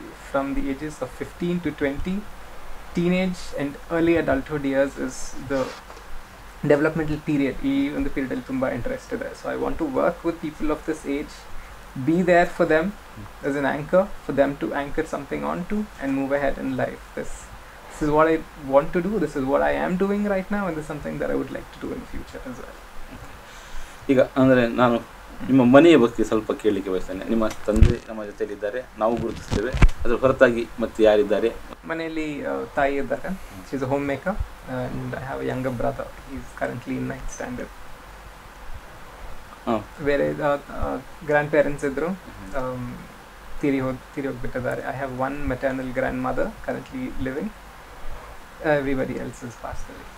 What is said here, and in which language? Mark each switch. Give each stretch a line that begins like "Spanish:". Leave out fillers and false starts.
English: From the ages of 15 to 20, teenage and early adulthood years is the developmental period, even the period I'm interested in. So I want to work with people of this age, be there for them as an anchor, for them to anchor something onto and move ahead in life. This is what I want to do, this is what I am doing right now, and this is something that I would like to do in the future as well.
Kannada: ಈಗ ಅಂದರೆ ನಾನು ನಿಮ್ಮ ಮನೆಯ ಬಗ್ಗೆ ಸ್ವಲ್ಪ ಕೇಳಲಿಕ್ಕೆ ಬಯಸ್ತೇನೆ. ನಿಮ್ಮ ತಂದೆ ನಮ್ಮ ಜೊತೆಯಲ್ಲಿದ್ದಾರೆ, ನಾವು ಗುರುತಿಸ್ತೇವೆ, ಅದರ ಹೊರತಾಗಿ ಮತ್ತೆ ಯಾರಿದ್ದಾರೆ? ಮನೆಯಲ್ಲಿ ತಾಯಿ ಇದ್ದಾರೆ,
English: Is a homemaker. And I have a younger brother. He's currently in 9th standard.
Kannada: Where is grandparents idru tiri hogibittidare.
English: I have one maternal grandmother currently living. Everybody else is passed away.